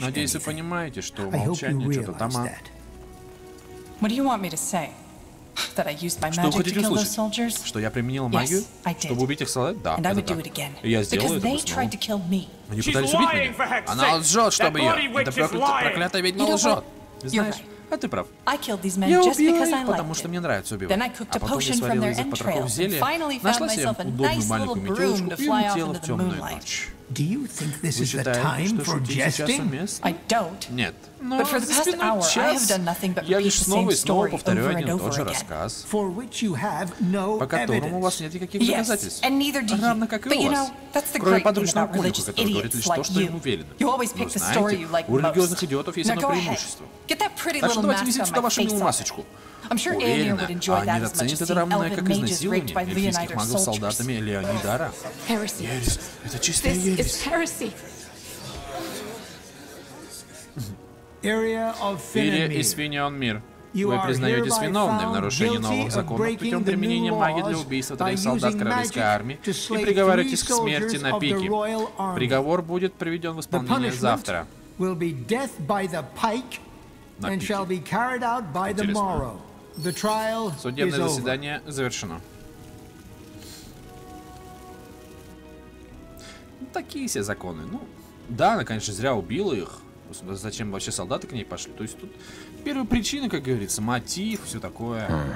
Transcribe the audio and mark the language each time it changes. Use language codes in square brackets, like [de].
[ru] Надеюсь, вы понимаете, что молчание что-то там. [en] What do you want me to say? That I used my magic to kill those soldiers? [ru] Что я применил магию, чтобы убить их солдат? Да, это так. И я сделаю это снова. Они пытались убить меня. Она лжет, чтобы ее... Это проклятая ведьма лжет. Знаешь, а ты прав. Я убил их, потому что мне нравится убивать. А потом я сварил из их потрохов зелье, нашла себе удобную маленькую метелочку и улетела в темную ночь. [en] Do you think this is the time for jesting? I don't. [ru] Нет. [en] But for the past hour, I have done nothing but repeat the same story over and over again. For which you have no evidence. Yes, and neither do you. But you know, that's the great thing about religious idiots like you. You always pick the story you like most. [ru] У религиозных идиотов есть одно преимущество. [en] Get that pretty little mask on my face. I'm sure Anya would enjoy that as much as seeing elven mages raped by Leonidas soldiers. Heresy. This is heresy. Area of Finnmir. You are hereby found guilty of breaking the new laws by using magic to slay three soldiers of the royal army. [ru] The приговор будет приведен в исполнение завтра. [en] Will be death by the pike and shall be carried out by the morrow. The trial is over. [ru] Судебное заседание завершено. Ну, такие все законы. Ну, да, она, конечно, зря убила их. Зачем вообще солдаты к ней пошли? То есть тут первая причина, как говорится, мотив, все такое.